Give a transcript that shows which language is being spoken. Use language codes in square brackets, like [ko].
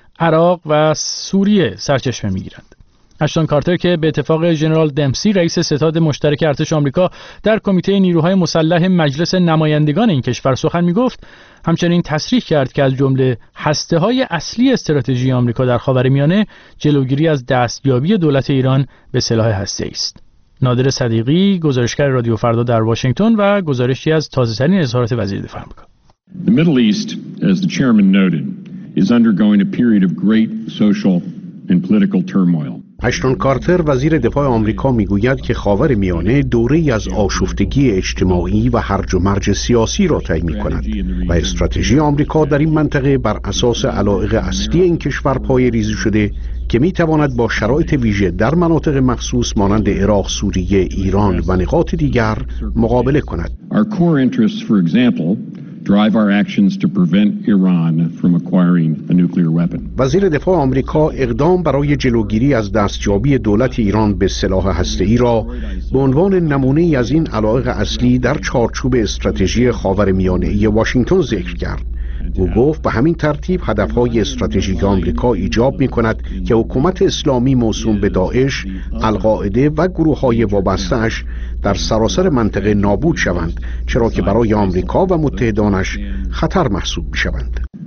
[fa] عراق و سوریه سرچشمه می‌گیرند. اشتون کارتر که به اتفاق جنرال دمسی رئیس ستاد مشترک ارتش آمریکا در کمیته نیروهای مسلح مجلس نمایندگان این کشور سخن می‌گفت، همچنین تصریح کرد که از جمله هسته‌های اصلی استراتژی آمریکا در خاورمیانه جلوگیری از دستیابی دولت ایران به سلاح هسته‌ای است. نادر صدیقی، گزارشگر رادیو فردا در واشنگتن و گزارشی از تازه‌ترین اظهارات وزیر دفاع آمریکا. [en] The Middle East, as the chairman noted, is undergoing a period of great social and political turmoil. [fa] اشتون کارتر، وزیر دفاع آمریکا، میگوید که خاورمیانه دوره‌ای از آشفتگی اجتماعی و هرج و مرج سیاسی را طی می‌کند و استراتژی آمریکا در این منطقه بر اساس علایق اصلی این کشور پایه‌ریزی شده که می‌تواند با شرایط ویژه در مناطق مخصوص مانند عراق، سوریه، ایران و نقاط دیگر مقابله کند. [en] Our core interests, for example, drive our actions to prevent Iran from acquiring a nuclear weapon. [fa] وزیر دفاع آمریکا اقدام برای جلوگیری از دستیابی دولت ایران به سلاح هسته‌ای را به عنوان نمونه‌ای از این علایق اصلی در چارچوب استراتژی خاورمیانه واشنگتن ذکر کرد. او گفت به همین ترتیب هدف‌های استراتژیک آمریکا ایجاب می‌کند که حکومت اسلامی موسوم به داعش، القاعده و گروه‌های وابسته‌اش در سراسر منطقه نابود شوند، چرا که برای آمریکا و متحدانش خطر محسوب می‌شوند.